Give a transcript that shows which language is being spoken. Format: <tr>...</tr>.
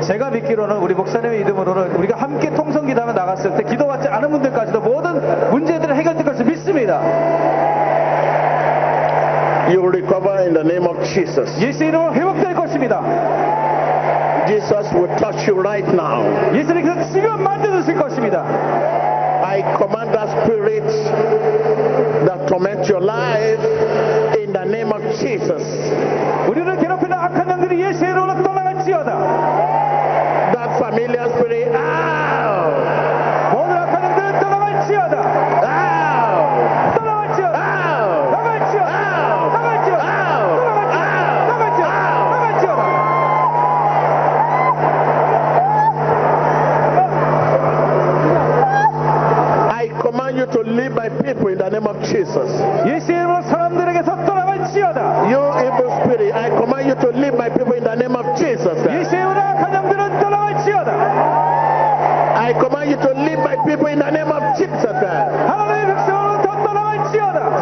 <ko>제가 믿기로는 우리 목사님의 이름으로는 우리가 함께 통성 기도하며 나갔을 때 기도받지 않은 분들까지도 모든 문제들을 해결될 것을 믿습니다.</ko> <en>You will recover in the name of Jesus.</en> <ko>예수 이름으로 회복될 것입니다.</ko> <en>Jesus will touch you right now.</en> <ko>예수님께서 지금 만져주실 것입니다.</ko> <en>I command the spirits that torment your life in the name of Jesus.</en> <ko>우리를 괴롭히는 악한 영들이 예수 이름으로 떠나갈지어다.</ko> <en>That familiar spirit out.</en> <ko>모든 악한 영들 떠나갈지어다.</ko> <en>Out.</en> <ko>떠나갈지어다.</ko> <en>Out.</en> <ko>나갈지어다.</ko> <en>Out.</en> <ko>나갈지어다.</ko> <en>Out.</en> <ko>나갈지어다.</ko> <en>Out.</en> <ko>나갈지어다.</ko> <en>Out.</en> <ko>나갈지어다.</ko> <en>Out.</en> <ko>나갈지어다.</ko> <en>I command you to leave my people in the name of Jesus.</en> <ko>예수 이름으로 사람들에게서 떠나갈지어다.</ko> <en>You evil spirit, I command you to leave my people in the name of Jesus.</en> <ko>예수님으로 악한 영들은 떠나갈지어다.</ko> <en>I command you to leave my people in the name of Jesus.</en> <ko>하나님의 백성으로 떠나갈지어다.</ko>